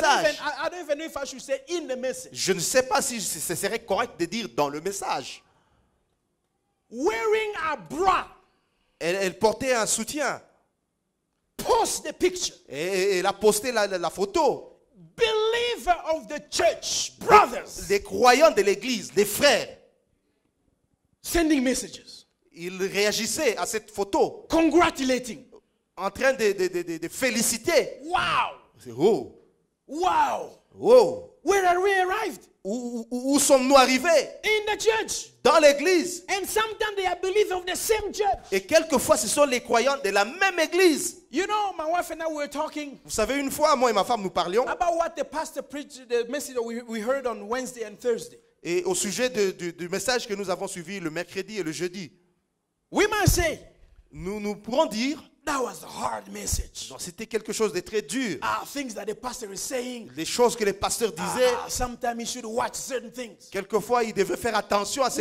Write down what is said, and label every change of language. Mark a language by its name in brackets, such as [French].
[English] I don't even know if I should say in the message. [French] Je ne sais pas si ce serait correct de dire dans le message. [English] Wearing a bra. [French] Elle portait un soutien. [English] Post the picture. [French] Et elle a posté la photo. [English] Believer of the church, brothers. [French] Les croyants de l'église, les frères. [English] Sending messages. [French] Il réagissait à cette photo. [English] Congratulating. [French] En train de féliciter. Wow. C'est où? Wow. Wow. [English] Where are we arrived? [French] Où sommes-nous arrivés? [English] In the church. [French] Dans l'église. [English] And sometimes they are believers of the same church. [French] Et quelquefois ce sont les croyants de la même église. [English] You know, my wife and I were talking. [French] Vous savez, une fois moi et ma femme nous parlions. [English] About what the pastor preached, the message that we heard on Wednesday and Thursday. [French] Et au sujet du message que nous avons suivi le mercredi et le jeudi. [English] We might say, [French] nous pourrons dire, [English] that was a hard message. [French] Non, c'était quelque chose de très dur. [English] Things that the pastor is saying, [French] les choses que le pasteur disait. [English] Sometimes he should watch certain things. [French] Quelquefois, il devait faire attention à ce